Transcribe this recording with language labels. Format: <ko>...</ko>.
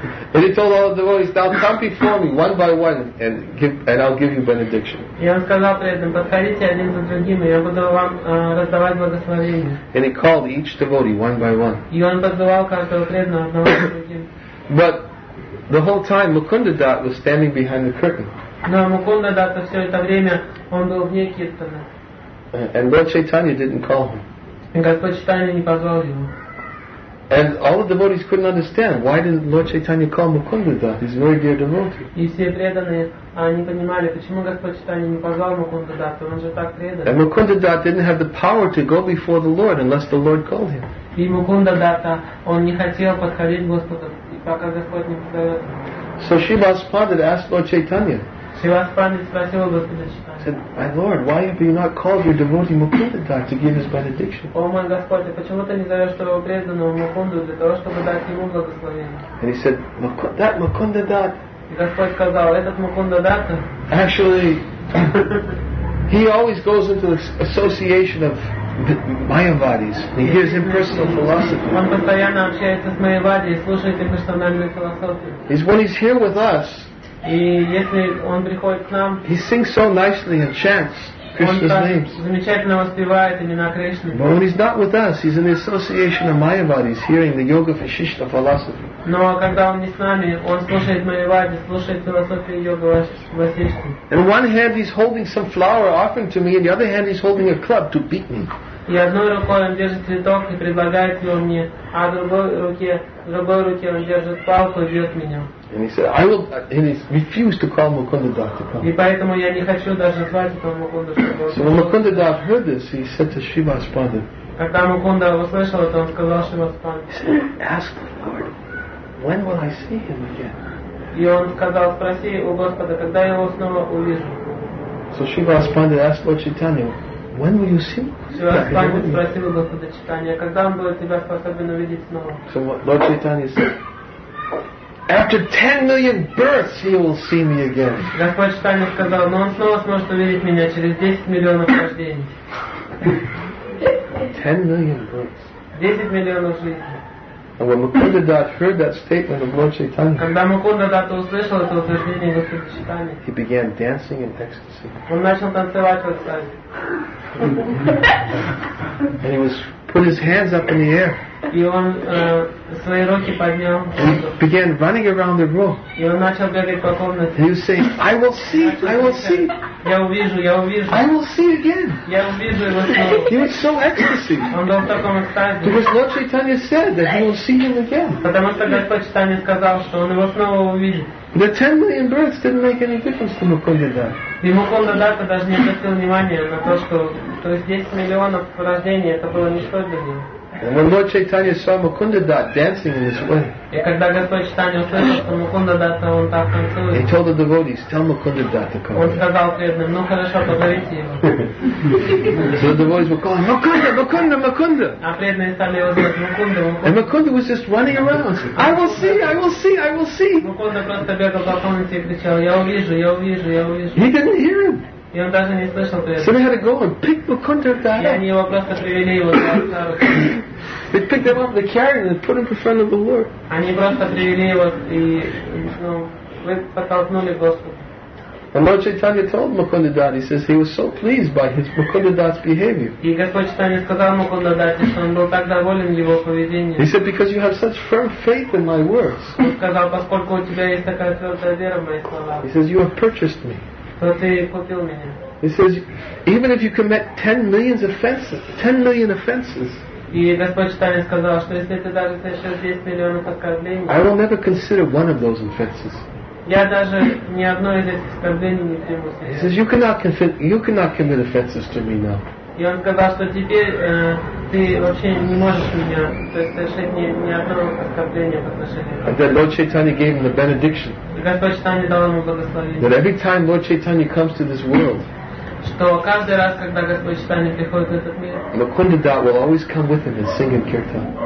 <en>And he told all the devotees, now come before me one by one and I'll give you benediction.</en> <ru>И он сказал преданным, подходите один за другим, и я буду вам раздавать благословения.</ru> <en>And he called each devotee one by one.</en> <ru>И он подзывал каждого преданного одного за другим.</ru> <en>But the whole time Mukunda Dutt was standing behind the curtain.</en> <ru>Но Mukunda Dutt все это время он был вне киртана.</ru> <en>And Lord Chaitanya didn't call him.</en> <ru>И Господь Чайтанья не позвал его.</ru> <en>And all the devotees couldn't understand why didn't Lord Chaitanya call Mukunda Dutt, his very dear devotee.</en> <ru>И все преданные не понимали, почему Господь Чайтанья не позвал Mukunda Dutt, он же так предан.</ru> <en>And Mukunda Dutt didn't have the power to go before the Lord unless the Lord called him.</en> <ru>И Mukunda Dutt, он не хотел подходить к Господу, пока Господь не позовет.</ru> <en>So Shivaspanda asked Lord Chaitanya.</en> <ru>Shivaspanda спросил Господа Чайтанья.</ru> <en>Said, my Lord, why have you not called your devotee Mukunda Dutt to give his benediction?</en> <ru>О мой Господь, почему ты не зовешь твоего преданного Mukunda для того, чтобы дать ему благословение?</ru> <en>And he said, that Mukunda Dutt.</en> <ru>И Господь сказал, этот Mukunda Dutt.</ru> <en>Actually, he always goes into the association of Mayavadis. He hears impersonal philosophy.</en> <ru>Он постоянно общается с Майявадами, слушает имперсональную философию.</ru> <en>He's when he's here with us.</en> <ru>И если он приходит к нам,</ru> <en>he sings so nicely and chants Krishna's names.</en> <ru>Замечательно воспевает имена Кришны.</ru> <en>But when he's not with us, he's in the association of Mayavadis, hearing the Yoga Vasishtha philosophy.</en> <ru>Но когда он не с нами, он слушает Майявади, слушает философию йога Васишты.</ru> <en>In one hand he's holding some flower offering to me, in the other hand he's holding a club to beat me.</en> <ru>И одной рукой он держит цветок и предлагает его мне, а в другой руке он держит палку и бьет меня.</ru> <en>And he said, and he refused to call Mukunda Dutt to come.</en> <ru>И поэтому я не хочу даже звать этого Mukunda, чтобы.</ru> <en>So when Mukunda Dutt heard this, he said to Shivaspanda.</en> <ru>Когда Mukunda услышал это, он сказал Shivaspanda.</ru> <en>He said, ask the Lord, when will I see him again?</en> <ru>И он сказал, спроси у Господа, когда я его снова увижу.</ru> <en>So Shivaspanda asked Lord Chaitanya, when will you see Mukunda?</en> <ru>Shivaspanda спросил у Господа Чайтанья, когда он будет тебя способен увидеть снова?</ru> <en>So Lord Chaitanya said, After 10 million births, he will see me again.</en> <ru>Господь Читание сказал, но он снова сможет увидеть меня через 10 миллионов рождений.</ru> <en>10 million births.</en> <ru>10 миллионов жизней.</ru> <en>And when Mukunda Dutt heard that statement of Lord Chaitanya,</en> <ru>когда Мукунда Датта услышал это утверждение Господь Читание,</ru> <en>he began dancing in ecstasy.</en> <ru>Он начал танцевать в экстазе.</ru> <en>And he was put his hands up in the air.</en> <ru>И он свои руки поднял.</ru> <en>And he began running around the room.</en> <ru>И он начал бегать по комнате.</ru> <en>And he was saying, I will see, I will see.</en> <ru>Я увижу, я увижу.</ru> <en>I will see again.</en> <ru>Я увижу его снова.</ru> <en>He was so ecstasy.</en> <ru>Он был в таком экстазе.</ru> <en>Because Lord Chaitanya said that he will see him again.</en> <ru>Потому что Господь Читание сказал, что он его снова увидит.</ru> <en>The 10 million births didn't make any difference to Mukunda Datta.</en> <ru>И Мукунда Датта даже не обратил внимания на то, что то есть 10 миллионов рождений это было ничто для него.</ru> <en>And when Lord Chaitanya saw Mukunda Datta dancing in this way,</en> <ru>и когда Господь Читание услышал, что Мукунда Датта он так танцует,</ru> <en>he told the devotees, "Tell Mukunda Datta to come."</en> <ru>Он сказал преданным, ну хорошо, позовите его.</ru> <en>So the devotees were calling, Mukunda, Mukunda, Mukunda.</en> <ru>А преданные стали его звать Мукунда, Мукунда.</ru> <en>And Mukunda was just running around. I will see, I will see, I will see.</en> <ru>Мукунда просто бегал по комнате и кричал, я увижу, я увижу, я увижу.</ru> <en>He didn't hear him.</en> <ru>И он даже не слышал преданных.</ru> <en>So they had to go and pick Mukunda Datta.</en> <ru>И они его просто привели его за руку.</ru> <en>They picked him up, they carried him, and put him in front of the Lord.</en> <ru>Они просто привели его и, ну, вы подтолкнули Господа.</ru> <en>And Lord Chaitanya told Mukunda Datta, he says he was so pleased by his Mukunda Datta's behavior.</en> <ru>И Господь Читание сказал Мукунда Датте, что он был так доволен его поведением.</ru> <en>He said, because you have such firm faith in my words.</en> <ru>Он сказал, поскольку у тебя есть такая твердая вера в мои слова.</ru> <en>He says, you have purchased me.</en> <ru>То ты купил меня.</ru> <en>He says, even if you commit 10 million offenses.</en> <ru>И Господь Читание сказал, что если ты даже совершишь 10 миллионов оскорблений,</ru> <en>I will never consider one of those offenses.</en> <ru>Я даже ни одно из этих оскорблений не приму себе.</ru> <en>He says, you cannot commit offenses to me now.</en> <ru>И он сказал, что теперь ты вообще не можешь меня, то есть совершить ни одно оскорбление по отношению к мне.</ru> <en>And then Lord Chaitanya gave him the benediction.</en> <ru>И Господь Читание дал ему благословение.</ru> <en>That every time Lord Chaitanya comes to this world,</en> <ru>что каждый раз, когда Господь Читание приходит в этот мир,</ru> <en>Mukunda Datta will always come with him and sing in kirtan.</en>